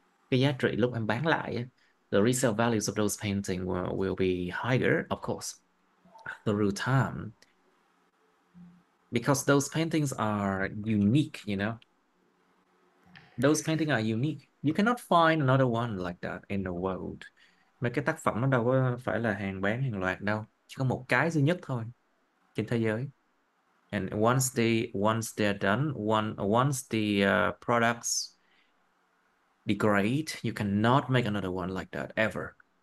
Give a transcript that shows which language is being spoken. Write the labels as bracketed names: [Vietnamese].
[English] The resale values of those paintings will be higher, of course, through time. Because those paintings are unique, you know? Those paintings are unique. You cannot find another one like that in the world. [Vietnamese] Mấy cái tác phẩm nó đâu có phải là hàng bán hàng loạt đâu. Chỉ có một cái duy nhất thôi trên thế giới. [English] And once the products degrade, you cannot make another one like that ever.